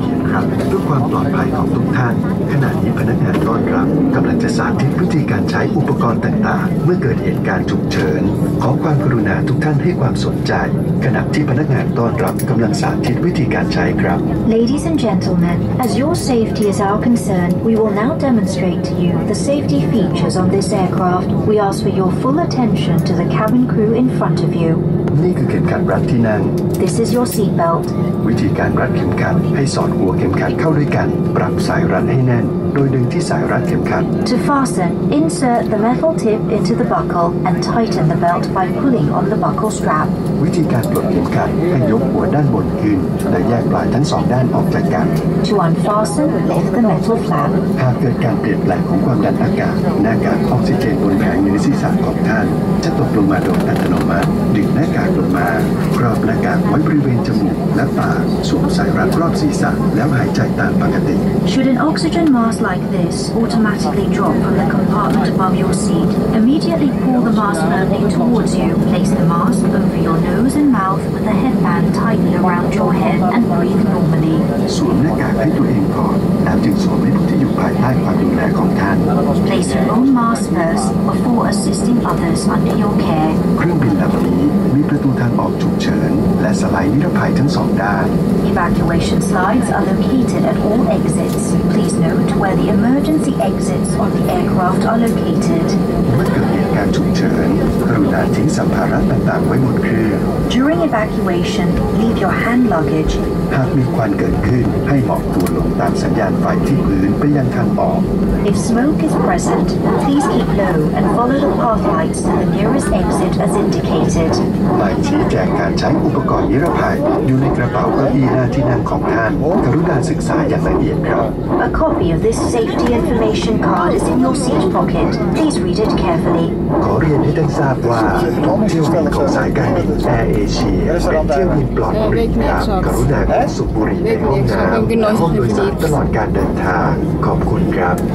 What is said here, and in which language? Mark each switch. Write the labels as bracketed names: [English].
[Thai] หากเพื่อความปลอดภัยของทุกท่านขณะนี้พนักงานต้อนรับกำลังจะสาธิตวิธีการใช้อุปกรณ์ต่างๆเมื่อเกิดเหตุการณ์ฉุกเฉินขอความกรุณาทุกท่านให้ความสนใจขณะที่พนักงานต้อนรับกำลังสาธิตวิธีการใช้ครับ [English] Ladies and gentlemen, as your safety is our concern, we will now demonstrate to you the safety features on this aircraft. We ask for your full attention to the cabin crew in front of you. [Thai] นี่คือเข็มขัดรัดที่นั่ง [English] This is your seat belt [Thai] วิธีการรัดเข็มขัดให้สอดหัวเข็มขัดเข้าด้วยกันปรับสายรัดให้แน่นโดยดึงที่สายรัดเข็มขัด [English] To fasten, insert the metal tip into the buckle and tighten the belt by pulling on the buckle strap [Thai] วิธีการปลดเข็มขัดให้ยกหัวด้านบนขึ้นและแยกปลายทั้งสองด้านออกจากกัน [English] To unfasten, lift the metal flap [Thai] หากเกิดการเปลี่ยนแปลงของความดันอากาศหน้ากากออกซิเจนบนแผงอยู่ในศีรษะของท่านจะตกลงมาโดยอัตโนมัติดึงหน้ากากลงมาครอบหน้ากากไว้บริเวณจมูกและปากสวมสายรัดรอบศีรษะแล้วหายใจตามปกติ [English] Should an oxygen mask like this automatically drop from the compartment above your seat, immediately pull the mask firmly towards you. Place the mask over your nose and mouth with the headband tightly around your head and breathe normally. [Thai] สวมหน้ากากให้ตัวเองก่อนแล้วจึงสวมให้ผู้ที่อยู่ภายใต้ความดูแลของท่าน [English] Place your own mask first before assisting others under your care. [Thai] เครื่องบินลำนี้มีประตูทางออกฉุกเฉินและสไลด์นิรภัยทั้งสองด้าน [English] Evacuation slides are located at all exits. Please note where the emergency exits on the aircraft are located. [Thai] เมื่อเกิดเหตุการณ์ฉุกเฉินกรุณาทิ้งสัมภาระต่างๆไว้บนเครื่อง [English] During evacuation, leave your hand luggage. [Thai] หากมีควันเกิดขึ้นให้หมอบตัวลงตามสัญญาณไฟที่พื้นไปยังทางออก [English] If smoke is present, please keep low and follow the path lights to the nearest exit as indicated. [Thai] หมายชี้แจงการใช้อุปกรณ์นิรภัยอยู่ในกระเป๋าเก้าอี้หน้าที่นั่งของท่านกรุณาศึกษาอย่างละเอียดครับ [English] A copy of this safety information card is in your seat pocket. Please read it carefully. [Thai] ขอเรียนให้ท่านทราบว่าเที่ยวบินของสายการบินแอร์เอเชียเป็นเที่ยวบินปลอดภัยครับกรุณาสูบบุหรี่ในห้องน้ำและห้องโดยสารตลอดการเดินทางขอบคุณครับ